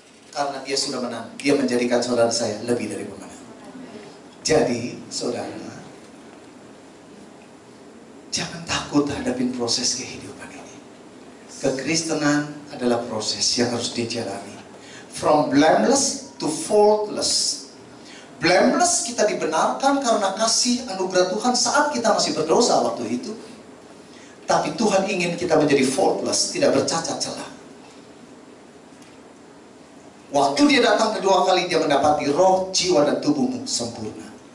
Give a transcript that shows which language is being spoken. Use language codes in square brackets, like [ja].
[id] Karena dia sudah menang, dia menjadikan saudara saya lebih dari pemenang. Jadi, saudara, jangan takut hadapin proses kehidupan ini. Kekristenan adalah proses yang harus dijalani. [en] From blameless to faultless. [id] Blameless, kita dibenarkan karena kasih anugerah Tuhan saat kita masih berdosa waktu itu. Tapi Tuhan ingin kita menjadi faultless, tidak bercacat celah. Waktu dia datang kedua kali, dia mendapati roh, jiwa, dan tubuhmu sempurna.